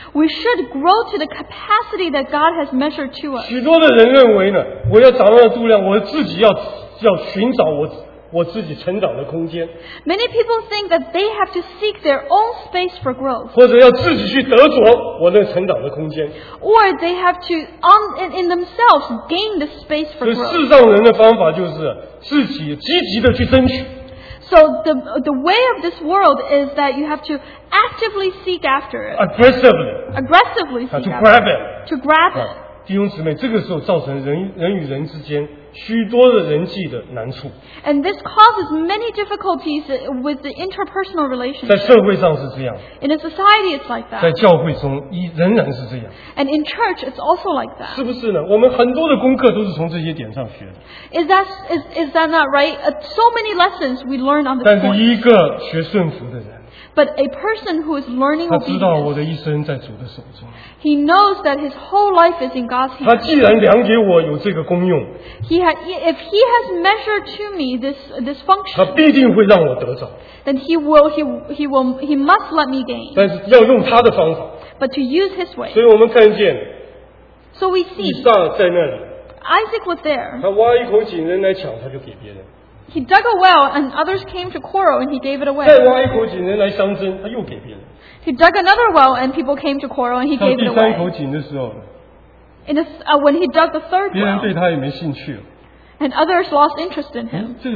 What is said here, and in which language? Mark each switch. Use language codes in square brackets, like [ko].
[en] We should grow to the capacity that God has measured to us. [zh] 许多的人认为呢, 我要找到的度量, 我自己要寻找我自己成长的空间, [en] many people think that they have to seek their own space for growth, [zh] 或者要自己去得着我的成长的空间, [en] or they have to in themselves gain the space for growth. [zh] 世上人的方法就是自己积极的去争取, [en] so the way of this world is that you have to actively seek after it, aggressively seek after, to grab it. [zh] 弟兄姊妹, 这个时候造成人与人之间 许多的人际的难处, [en] and this causes many difficulties with the interpersonal relationship. [zh] 在社会上是这样, [en] in a society it's like that. [zh] 在教会中仍然是这样, [en] and in church it's also like that. [zh] 是不是呢? 我们很多的功课都是从这些点上学的, [en] is that not right? So many lessons we learn on this point. [zh] 但是一个学顺服的人, [en] But a person who is learning obedience, [zh] 他知道我的一生在主的手中, [en] he knows that his whole life is in God's hands. [zh] 他既然量给我有这个功用, [en] if he has measured to me this function, [zh] 他必定会让我得着, [en] then he must let me gain. [zh] 但是要用他的方法, [en] but to use his way. [zh] 所以我们看见, [en] so we see [zh] 以撒在那里, [en] Isaac was there. [zh] 他挖一口井, 人来抢, 他就给别人。 [en] He dug a well and others came to quarrel and he gave it away. [zh] 再挖一口井人来相争, 他又给别人。 [en] He dug another well and people came to quarrel and he gave it away. [zh] 上第三口井的时候, [en] when he dug the third well, [zh] 别人对他也没兴趣了, [en] and others lost interest in him.